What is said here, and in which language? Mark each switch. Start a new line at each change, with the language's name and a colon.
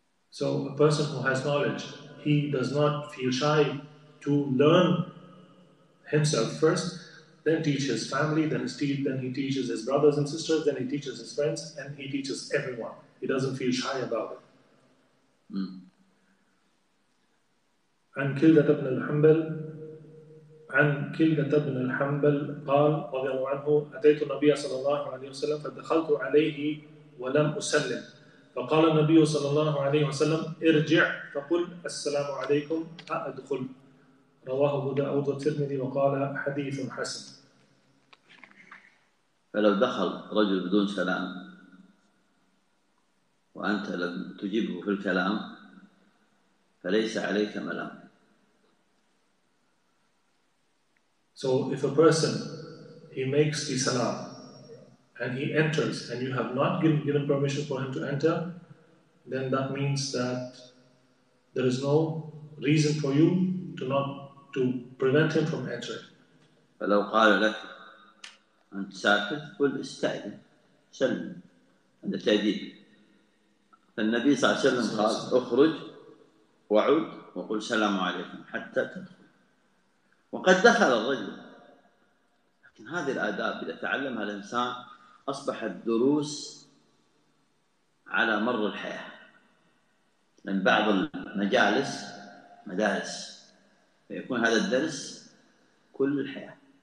English: So a person who has knowledge, he does not feel shy to learn himself first. Then teach his family, then he teaches his brothers and sisters, then he teaches his friends, and he teaches everyone. He doesn't feel shy about it.
Arabic: عن كلدة بن الحنبل عن كلدة بن الحنبل قال رضي الله عنه أتيت النبي صلى الله عليه وسلم فدخلت عليه ولم أسلم فقال النبي صلى الله عليه وسلم ارجع فقل السلام عليكم أدخل. رواه أبو داود والترمذي وقال حديث حسن. فلو دخل رجل بدون سلام وأنت لم تجبه في الكلام فليس عليك ملام.
English: So if a person he makes the salam and he enters and you have not given permission for him to enter, then that means that there is no reason for you to prevent him from entering.
Arabic: فلو قال لك أنت ساكت قل استأذن سلم هذا تأديب. فالنبي صلى الله عليه وسلم قال اخرج وعود وقل السلام عليكم حتى تدخل. وقد دخل الرجل لكن هذه الآداب إذا تعلمها الإنسان أصبحت دروس على مر الحياة من بعض المجالس مدارس فيكون هذا الدرس كل الحياة.